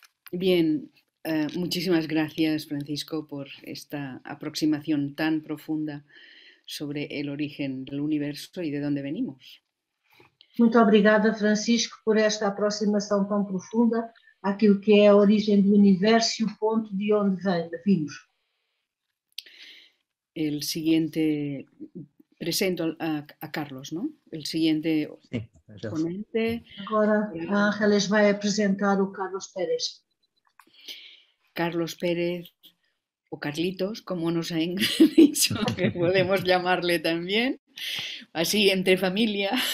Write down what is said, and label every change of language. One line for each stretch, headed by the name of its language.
Spanish: Bien, muchísimas gracias, Francisco, por esta aproximación tan profunda sobre el origen del universo y de dónde venimos.
Portuguese: Muito obrigada, Francisco, por esta aproximação tão profunda àquilo que é a origem do universo e o ponto de onde vimos.
Spanish: El siguiente presento a Carlos, ¿no? El siguiente
Portuguese: Sim, já.
Spanish: ponente.
Portuguese: Agora a Ángeles vai apresentar o Carlos Pérez.
Spanish: Carlos Pérez, o Carlitos, como nos han dicho, que podemos llamarle también, así entre familia.